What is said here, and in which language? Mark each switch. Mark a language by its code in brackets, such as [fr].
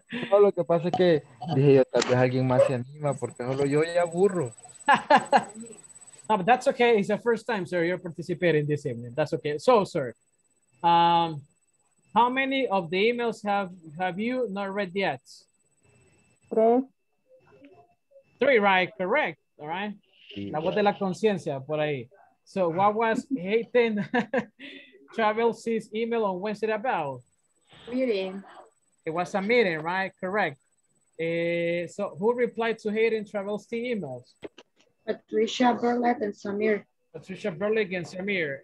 [es] No, lo que pasa es que dije yo, tal vez alguien más se anima, porque solo yo ya aburro. [en] No, but that's okay. It's the first time, sir, you're participating this evening. That's okay. So, sir, how many of the emails have you not read yet? Three. Three, right, correct, all right. [es] Sí. La voz de la conciencia, por ahí. [en] So what was Hayden Travelsy's email on Wednesday about? Meeting. It was a meeting, right? Correct. So who replied to Hayden Travelsy emails? Patricia Burlett and Samir. Patricia Burlett and Samir.